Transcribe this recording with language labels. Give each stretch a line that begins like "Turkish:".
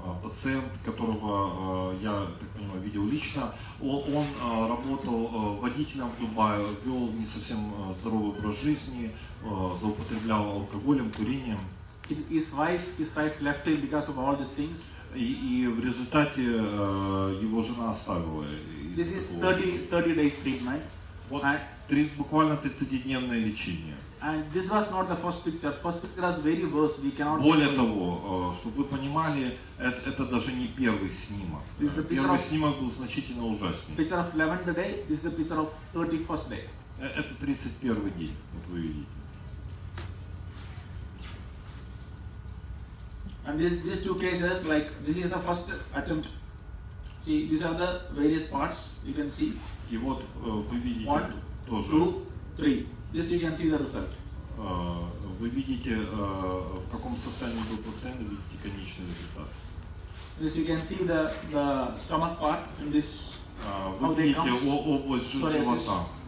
Russian: пациент, которого я, так понимаю, видел лично, он работал водителем в Дубае, вел не совсем здоровый образ жизни, злоупотреблял алкоголем, курением.
English: His wife left him because of all these things.
Russian: И в результате его жена оставила.
English: This is 30 days treatment.
Russian: Буквально 30-дневное лечение.
English: And this was not the first picture. First picture was very worse. We cannot.
Russian: Более того, чтобы вы понимали, это даже не первый снимок. Первый снимок был значительно ужаснее.
English: Picture of 11th day. This is the picture of 31st day.
Russian: Это 31 день. Вот вы видите.
English: And these two cases, like this is the first attempt. See, these are the various parts. You can see.
Russian: И вот вы видите.
English: One,
Russian: тоже.
English: Two, three. This you can see the result.
Russian: Вы видите в каком состоянии был пациент, видите конечный результат.
English: This you can see the stomach part in this.
Russian: Вы видите область живота.